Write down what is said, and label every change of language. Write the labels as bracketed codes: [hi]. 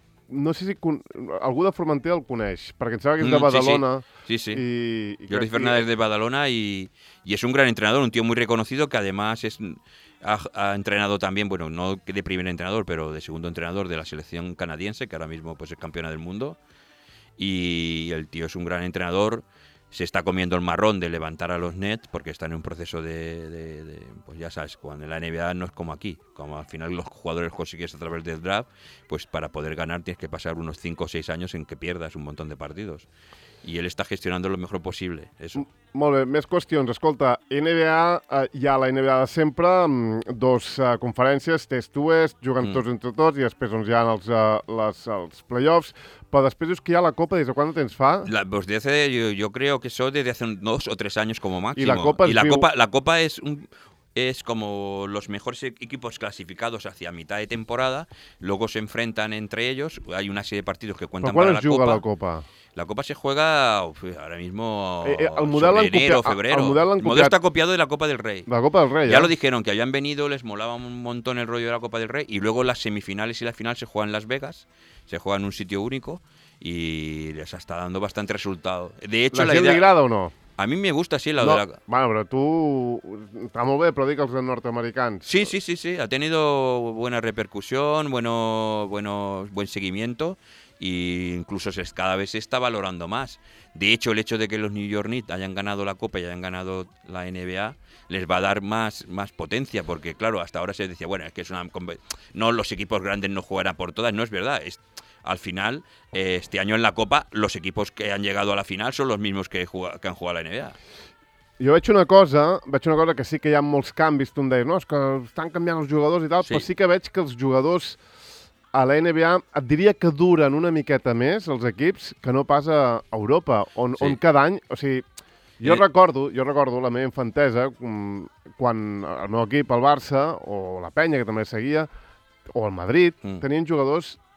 [ca] no sé si algú de Formentera el coneix, perquè em sembla que és de Badalona. Sí, sí. [es] I Jordi Fernández de Badalona y es un gran entrenador, un tío muy reconocido que además es ha entrenado también, bueno, no de primer entrenador, pero de segundo entrenador de la selección canadiense, que ahora mismo pues es campeona del mundo. Y el tío es un gran entrenador, se está comiendo el marrón de levantar a los Nets porque está en un proceso de pues ya sabes, cuando la NBA no es como aquí, como al final los jugadores consigues a través del draft, pues para poder ganar tienes que pasar unos 5 o 6 años en que pierdas un montón de partidos. [ca] I ell està gestionant el millor possible. Molt bé, més qüestions. Escolta, NBA, hi ha la NBA de sempre, dos conferències, test-to-est, juguen tots entre tots, i després doncs, hi ha els play-offs. Però després dius que hi ha la Copa, des de quan de temps fa? Jo crec que això des de fa 2 o 3 anys com a màxim. I la Copa [es] es la Copa és un... Es como los mejores equipos clasificados hacia mitad de temporada, luego se enfrentan entre ellos, hay una serie de partidos que cuentan para la Copa. ¿Cuándo se juega la Copa? La Copa se juega ahora mismo en enero o febrero. El modelo está copiado de la Copa del Rey. La Copa del Rey, ya lo dijeron, que habían venido, les molaba un montón el rollo de la Copa del Rey, y luego las semifinales y la final se juegan en Las Vegas, se juegan en un sitio único, y les está dando bastante resultado. De hecho, ¿la gente le agrada o no? [ca] A mi m'agrada, sí, la no, de la... Bueno, però tu... Està molt bé, però dic els nord-americans. [es] Sí, sí, sí, sí. Ha tenido buena repercusión, buen seguimiento, e incluso cada vez se está valorando más. De hecho, el hecho de que los New York Knicks hayan ganado la Copa y hayan ganado la NBA les va a dar más potencia, porque, claro, hasta ahora se decía, bueno, es que es una... No, los equipos grandes no jugarán por todas. No es verdad, es... Al final, este año en la Copa, los equipos que han llegado a la final son los mismos que han jugado a la NBA. [ca] Jo veig una cosa que sí que hi ha molts canvis, tu em deies, no? És que estan canviant els jugadors i tal, sí. Però sí que veig que els jugadors a la NBA et diria que duren una miqueta més, els equips, que no pas a Europa, on cada any... O sigui, jo recordo la meva infantesa, quan el meu equip, el Barça, o la Penya, que també seguia, o el Madrid, tenien jugadors...